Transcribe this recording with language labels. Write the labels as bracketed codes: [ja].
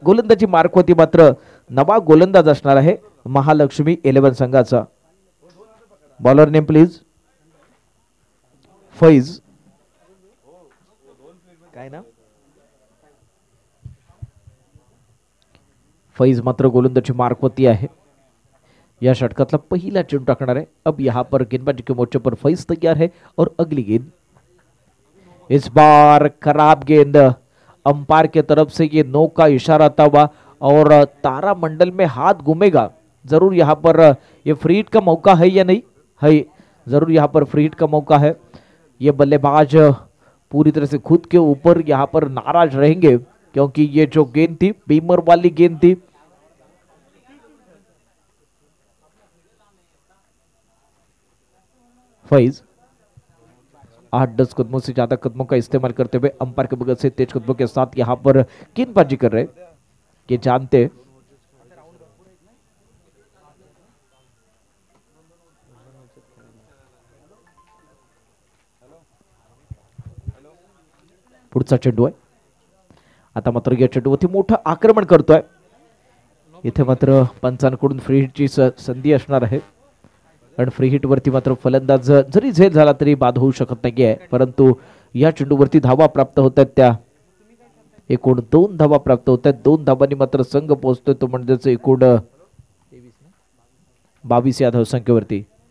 [mr] गोलंदाजी मार्कवरती मात्र नवा गोलंदाज असणार आहे महालक्ष्मी इलेवन संघाचा. [en] Bowler name please. [mr] फैज. काय ना फैज मात्र गोलंदाजी मार्कवरती आहे. या षटकातला पहिला चेंडू टाकणार आहे. [hi] अब यहां पर गेंदबाजी के मोर्चे पर फैज तैयार है और अगली गेंद. इस बार खराब गेंद, अंपायर के तरफ से ये नो का इशारा था वह और तारा मंडल में हाथ घूमेगा जरूर. यहां पर ये फ्री हिट का मौका है या नहीं है? जरूर यहां पर फ्री हिट का मौका है. ये बल्लेबाज पूरी तरह से खुद के ऊपर यहाँ पर नाराज रहेंगे, क्योंकि ये जो गेंद थी बीमर वाली गेंद थी, फैज 8-10 कदमों से ज्यादा कदमों का इस्तेमाल करते हुए अंपायर के बगल से तेज कदमों के साथ यहां पर गेंदबाजी कर रहे, ये जानते [mr] पुढचा चेंडू आहे। आता मात्र या चेंडूवरती मोठं आक्रमण करतोय, इथे मात्र पंचांकडून फ्री हिटची संधी असणार आहे, कारण फ्री हिट वरती मात्र फलंदाज जरी झेल झाला तरी बाद होऊ शकत नाही आहे, परंतु या चेंडूवरती धावा प्राप्त होत आहेत, त्या एकूण 2 धावा प्राप्त होत आहेत, 2 धावांनी मात्र संघ पोहोचतोय तो म्हणजेच एकूण 22 या धावसंख्येवरती।